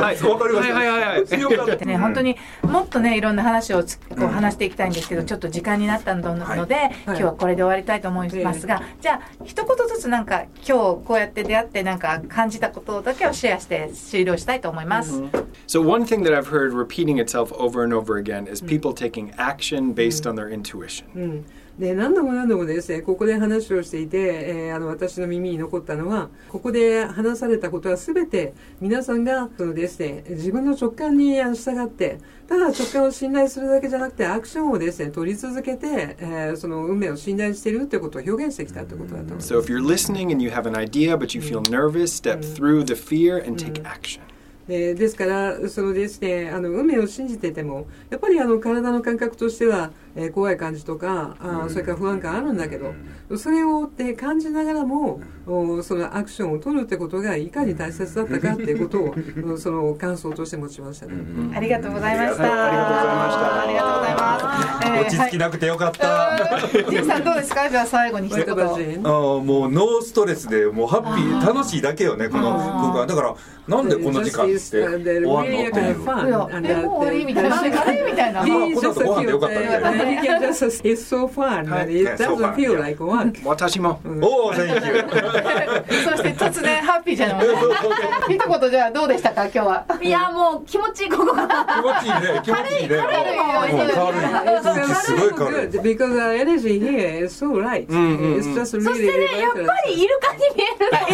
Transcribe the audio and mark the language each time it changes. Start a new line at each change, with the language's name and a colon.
Japanese: はいはいはい、本当にもっとねいろんな話をこう話していきたいんですけど、ちょっと時間になったので、はいはい、今日はこれで終わりたいと思いますが、じゃあ一言ずつなんか今日こうやって出会ってなんか感じたことだけをシェアして終了したいと思います、うん、
English: So one thing that I've heard repeating itself over and over again is people taking action based on their intuition、
Japanese: うんうん、で何度も何度もですね、ここで話をしていて、私の耳に残ったのは、ここで話されたことは全て皆さんがそのですね、自分の直感に従って、ただ直感を信頼するだけじゃなくて、アクションをですね、取り続けて、その運命を信頼しているということを表現してきたということだと思います。
English: So if you're listening and you have an idea, but you feel nervous, step through the fear and take action.
Japanese: ですからそのですね、運命を信じててもやっぱり体の感覚としては、怖い感じとか、それから不安感あるんだけど、それをって感じながらもそのアクションを取るってことがいかに大切だったかっていうことをその感想として持ちましたね。ありがとうございました。ありがとうございました。ありがとうございます。落ち着きなくてよかった。じいさんどうですか。じゃあ最後に一言。もうノーストレスでもうハッピ ー楽しいだけよね、この空間だから。なんでこんな時間って終わんのっていう、もう終わりみたいな、終わりみたいな、この後ご飯でよかったんだよね。
English: You can just say it's so fun and it doesn't feel like work.
Japanese: 私も、うん、おー、
English: thank you
Japanese: そして突然ハッピーじゃないですか。一言じゃあどうでしたか今日は。いやもう気持ちいい、ここが気持ちいいね、気持ちいいね、軽いもん、軽い、すごい軽い。
English: Because the energy here is so light. It's just really light.
Japanese: そしてね、やっぱりイルカに見える。